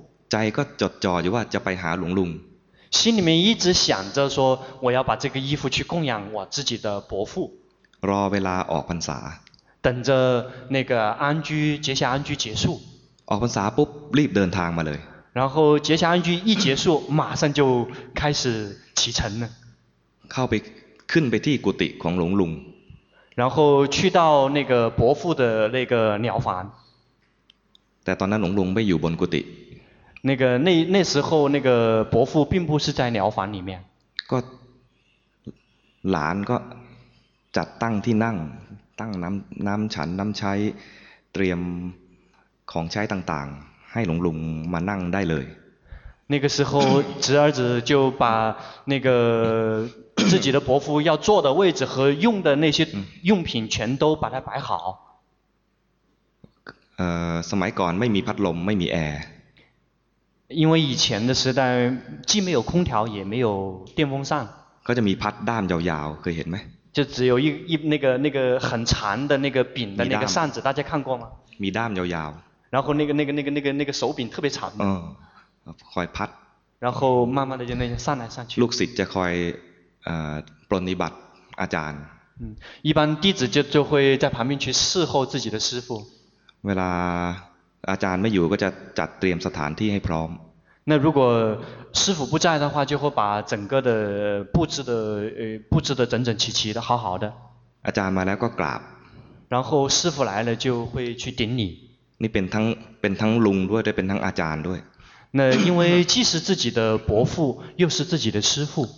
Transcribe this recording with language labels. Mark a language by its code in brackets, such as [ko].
[th] ใจก็จดจ่ออยู่ว่าจะไปหาหลวงลุง [zh] 心里面一直想着说我要把这个衣服去供养我自己的伯父 [th] รอเวลาออกพรรษา [zh] 等着那个安居结下安居结束 [th] ออกพรรษาปุ๊บรีบเดินทางมาเลย [zh] 然后结下安居一结束马上就开始启程了 [th] เข้าไปขึ้นไปที่กุฏิของหลวงลุง [zh] 然后去到那个伯父的那个鸟房 [th] แต่ตอนนั้นหลวงลุงไม่อยู่บนกุฏิ [zh] 那个那时候那个伯父并不是在鸟房里面 [th] ก็หลานก็จัดตั้งที่นั่งตั้งน้ำฉันน้ำใช้เตรียมของใช้ต่างๆให้หลวงลุงมานั่งได้เลย [zh] 那个时候侄儿子就把那个自己的伯父要坐的位置和用的那些用品全都把它摆好 [th] สมัยก่อนไม่มีพัดลมไม่มีแอร์ [zh] 因为以前的时代既没有空调也没有电风扇 [th] ก็จะมีพัดด้ามยาวๆเคยเห็นไหม [zh] 就只有一那个很长的那个柄的那个扇子大家看过吗 [th] มีด้ามยาว [zh] ๆ然后那个手柄特别长 [th] คอยพัด [zh] 然后慢慢的就那些扇来扇去 [th] ลูกศิษย์จะคอยปรนิบัติอาจารย์ [zh] 一般弟子就会在旁边去伺候自己的师父 [th] เวลาอาจารย์ไม่อยู่ก็จะจัดเตรียมสถานที่ให้พร้อม [zh] 那如果师父不在的话就会把整个的布置的整整齐齐的好好的 [th] อาจารย์มาแล้วก็กราบ [zh] 然后师父来了就会去顶礼 [th] นี่เป็นทั้งลุงด้วยได้เป็นทั้งอาจารย์ด้วย [zh] 那因为既是自己的伯父又是自己的师父